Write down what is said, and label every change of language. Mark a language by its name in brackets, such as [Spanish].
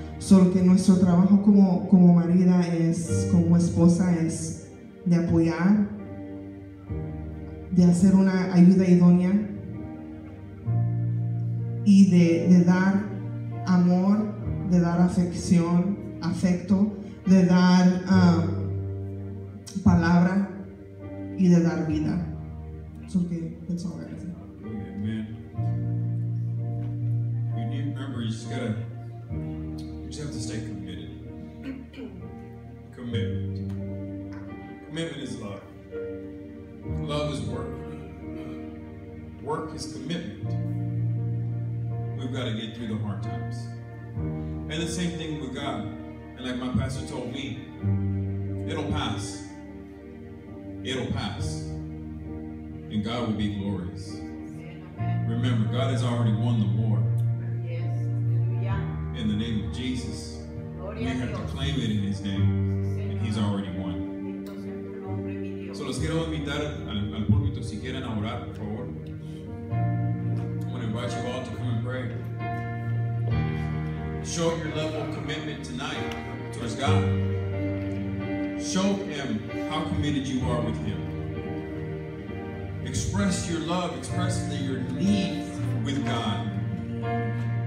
[Spanish] Solo que nuestro trabajo como marida es, como esposa, es de apoyar, de hacer una ayuda idónea y de dar amor, de dar afección, afecto, de dar palabra y de dar vida. [English] So que that's all right. Amen. You need to remember, you just have to stay committed. Commitment is love. Love is work. Work is commitment. We've got to get through the hard times. And the same thing with God. And like my pastor told me, it'll pass. And God will be glorious. Remember, God has already won the war. Yes. Yeah. In the name of Jesus. [Spanish] Gloria, [English] we have to claim it in His name. And He's already won. [Spanish] So los quiero invitar al púlpito, si quieren orar, por favor. [English] I want to invite you all to come and pray. Show your level of commitment tonight towards God. Show Him how committed you are with Him. Express your love, express your need with God.